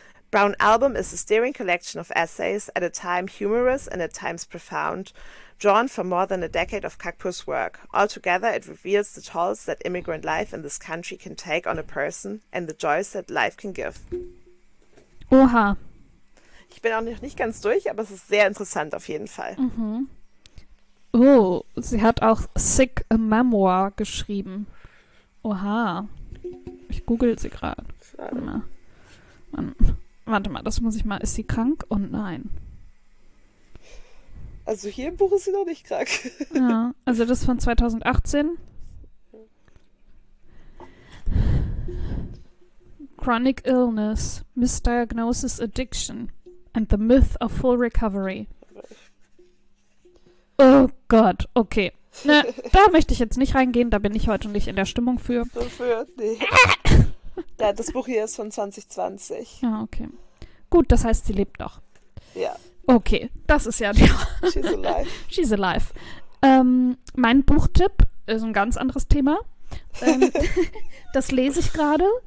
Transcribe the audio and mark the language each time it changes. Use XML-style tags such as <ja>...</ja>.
<en>Brown Album is a stirring collection of essays, at a time humorous and at times profound, drawn from more than a decade of Kakpur's work. Altogether, it reveals the tolls that immigrant life in this country can take on a person and the joys that life can give.</en> <de>Oha. Ich bin auch noch nicht ganz durch, aber es ist sehr interessant auf jeden Fall. Mhm. Oh, sie hat auch Sick a Memoir geschrieben. Oha. Ich google sie gerade. Warte mal, das muss ich mal. Ist sie krank? Und oh, nein. Also hier im Buch ist sie noch nicht krank. Ja, also das ist von 2018.</de> <en>Chronic illness, misdiagnosis, addiction and the myth of full recovery.</en> <de>Oh Gott, okay. Ne, da möchte ich jetzt nicht reingehen, da bin ich heute nicht in der Stimmung für. Wofür? Nee. Ja, das Buch hier ist von 2020. Ja, okay. Gut, das heißt, sie lebt doch. Ja. Okay, das ist ja die...</de> <en>She's alive. She's alive.</en> <de>Mein Buchtipp ist ein ganz anderes Thema. das lese ich gerade.</de>